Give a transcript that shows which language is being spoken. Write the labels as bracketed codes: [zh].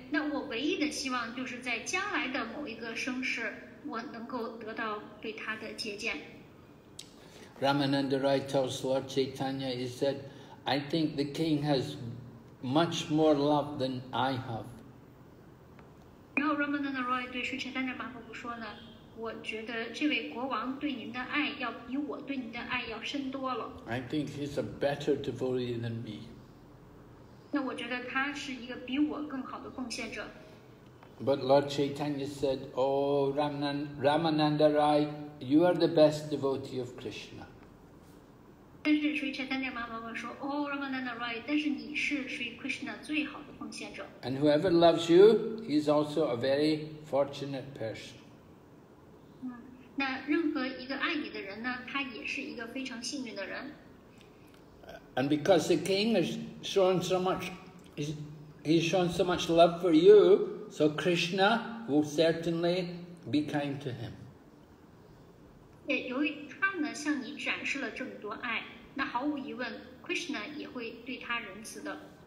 [zh] 那我唯一的希望就是在将来的某一个生世，我能够得到对他的接见。 [en] Ramananda Rai tells Lord Chaitanya, he said, I think the king has much more love than I have. [zh] 然后 Ramananda Roy 对 Sri Chaitanya Mahaprabhu 说呢，我觉得这位国王对您的爱要比我对您的爱要深多了。 [en] I think he's a better devotee than me. [zh] 那我觉得他是一个比我更好的贡献者。 [en] But Lord Chaitanya said, Oh, Ramananda Roy, you are the best devotee of Krishna. [zh] 但是 Sri Chaitanya Mahaprabhu 说 Oh, Ramananda Roy, 但是你是 Sri Krishna 最好的。 [en] And whoever loves you, he is also a very fortunate person. [zh] 那任何一个爱你的人呢，他也是一个非常幸运的人。 [en] And because the king has shown so much, he's shown so much love for you, so Krishna will certainly be kind to him. [zh] 由于他呢向你展示了这么多爱，那毫无疑问 ，Krishna 也会对他仁慈的。